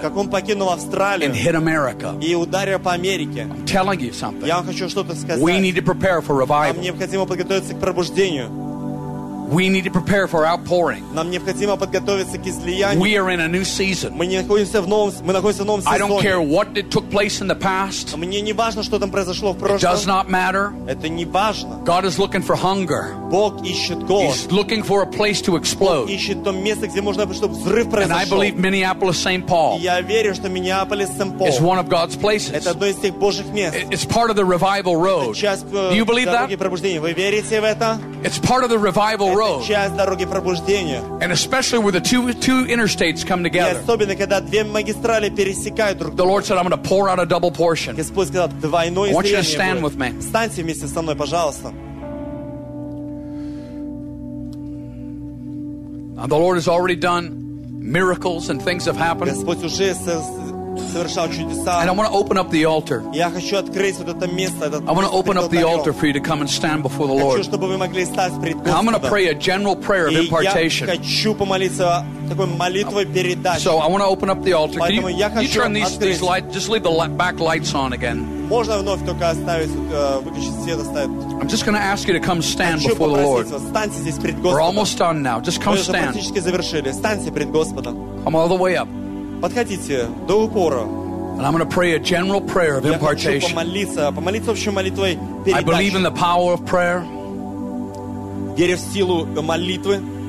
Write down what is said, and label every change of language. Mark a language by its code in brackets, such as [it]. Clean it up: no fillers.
[ru] Как он покинул Австралию. [en] And hit America. [ru] И ударил по Америке. [en] I'm telling you something. [ru] Я вам хочу что-то сказать. [en] We need to prepare for revival. [ru] Нам необходимо подготовиться к пробуждению. [en] We need to prepare for outpouring. [ru] Нам необходимо подготовиться к излиянию. [en] We are in a new season. [ru] Мы находимся в новом сезоне. [en] I don't care what it took place in the past. [ru] Мне не важно, что там произошло в прошлом. [en] It does not matter. [ru] Это не важно. [en] God is looking for hunger. [ru] Бог ищет голод. [en] He's looking for a place to explode. [ru] Бог ищет то место, где можно, чтобы взрыв произошел. [en] And I believe Minneapolis St. Paul. [ru] Я верю, что Миннеаполис Сент-Пол. [en] Is one of God's places. [ru] Это одно из тех Божьих мест. [en] It's part of the revival road. Do you believe that? [ru] Вы верите в это? [en] It's part of the revival road. And especially when the two interstates come together. [ru] Особенно когда две магистрали пересекают друг друга. [en] The Lord said, "I'm going to pour out a double portion." [ru] Господь сказал двойное излияние. [en] Won't you stand with me? [ru] Встаньте вместе со мной, пожалуйста. [en] Now the Lord has already done miracles and things have happened. [ru] Господь уже совершал чудеса. [en] And I want to open up the altar. [ru] Я хочу открыть вот это место. [en] I want to open up the altar for you to come and stand before the Lord. [ru] Хочу, чтобы вы могли стать пред Господом. [en] I'm going to pray a general prayer of impartation. [ru] И я хочу помолиться такой молитвой передачи. [en] So I want to open up the altar. Can you turn these lights? Just leave the back lights on again. [ru] Можно вновь только выключить свет, оставить. [en] I'm just going to ask you to come stand before the Lord. [ru] Станьте здесь пред Господом. [en] We're almost done now. Just come stand. [ru] Мы практически завершили. Станьте пред Господом. [en] Come all the way up. [ru] Подходите до упора. [en] And I'm going to pray a general prayer of impartation. [ru] Я хочу помолиться общей молитвой передачи. [en] I believe in the power of prayer. [ru] Верю в силу молитвы.